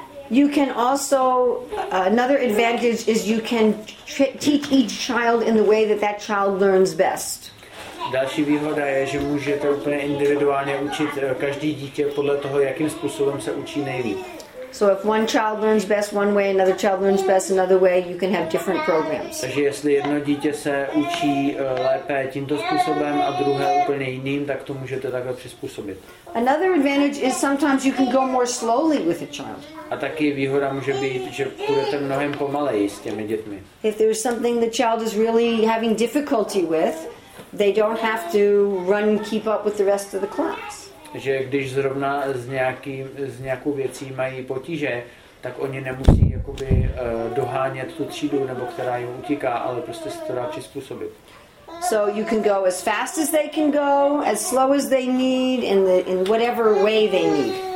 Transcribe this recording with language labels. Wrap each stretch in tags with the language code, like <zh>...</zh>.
<en>You can also another advantage is you can teach each child in the way that child learns best.</en> <cs>Další výhoda je, že můžete úplně individuálně učit každý dítě podle toho, jakým způsobem se učí nejlíp.</cs> <en>So if one child learns best one way, another child learns best another way, you can have different programs.</en> <cs>Takže jestli jedno dítě se učí lépe tímto způsobem a druhé úplně jiným, tak to můžete takhle přizpůsobit.</cs> <en>Another advantage is sometimes you can go more slowly with a child.</en> <cs>A taky výhoda může být, že půjdete mnohem pomaleji s těmi dětmi.</cs> <en>If there is something the child is really having difficulty with, they don't have to run and keep up with the rest of the class.</en> <cs>Že když zrovna s nějakou věcí mají potíže, tak oni nemusí jakoby dohánět tu třídu, nebo která jim utíká, ale prostě se to dá přizpůsobit.</cs> <en>So you can go as fast as they can go, as slow as they need, in whatever way they need.</en>